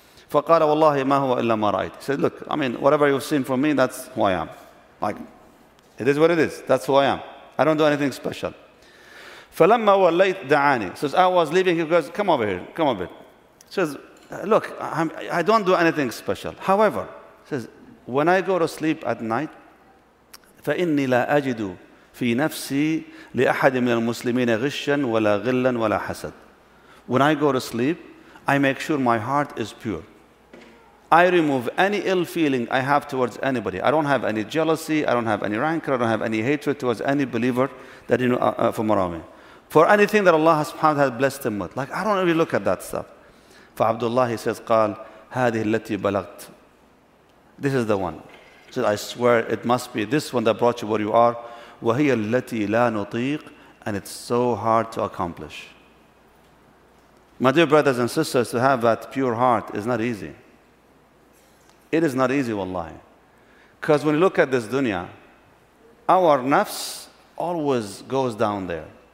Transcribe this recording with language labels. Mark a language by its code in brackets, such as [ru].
[ar] فَقَالَ وَاللَّهِ مَا هُوَ إِلَّا مَا رَأَيْتِ. [en] He said, look, I mean, whatever you've seen from me, that's who I am. Like, it is what it is. That's who I am. I don't do anything special. [ar] فَلَمَّا وَلَّيْتْ دَعَانِي. [en] So as I was leaving, he goes, come over here. Come over here. He says, look, I don't do anything special. However, says, when I go to sleep at night, [ar] فَإِنِّي لَا أَجِدُ فِي نَفْسِي لِأَحَدٍ مِنَ الْمُسْلِمِينَ غِشًّا وَلَا غِلًّا وَلَا حَسَدٍ. [en] When I go to sleep, I make sure my heart is pure. I remove any ill feeling I have towards anybody. I don't have any jealousy. I don't have any rancor. I don't have any hatred towards any believer that you know from around me. For anything that Allah subhanahu wa ta'ala has blessed him with. Like, I don't really look at that stuff. [ar] فَعَبْدُ اللَّهِ [en] he says, [ar] قَالْ هَذِهِ الَّتِي بَلَغْتْ. [en] This is the one. He said, I swear it must be this one that brought you where you are. [ar] وَهِيَ الَّتِي لَا نُطِيقْ. [en] And it's so hard to accomplish. My dear brothers and sisters, to have that pure heart is not easy. It is not easy, wallahi. Because when you look at this dunya, our nafs always goes down there.